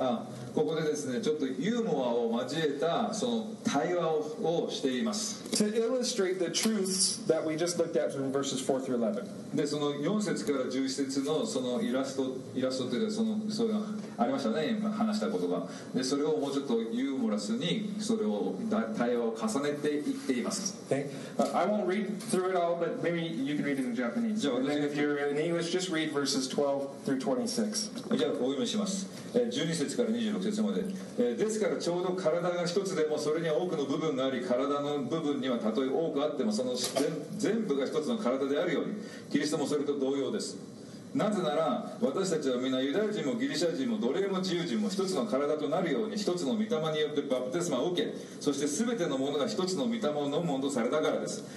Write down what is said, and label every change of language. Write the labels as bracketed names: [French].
[Japanese] Ah, ここでですね、ちょっとユーモアを交えたその対話をしています。 [English] To illustrate the truths that we just looked at from verses 4 through 11. [Japanese] で、その4節から11節のそのイラストというかそれがありましたね、話した言葉。で、それをもうちょっとユーモラスにそれを対話を重ねていっています。 [English] Okay. I won't read through it all, but maybe you can read it in Japanese. じゃあ、and then if you're in English, just read verses 12 through 26. [Japanese] じゃあ、お読みします。12節から26節まで。ですから、ちょうど体が一つでもそれには多くの部分があり、体の部分にはたとえ多くあっても、その全部が一つの体であるように、キリストもそれと同様です。なぜなら、私たちはみんなユダヤ人もギリシャ人も奴隷も自由人も一つの体となるように、一つの御霊によってバプテスマを受け、そして全てのものが一つの御霊を飲むものとされたからです。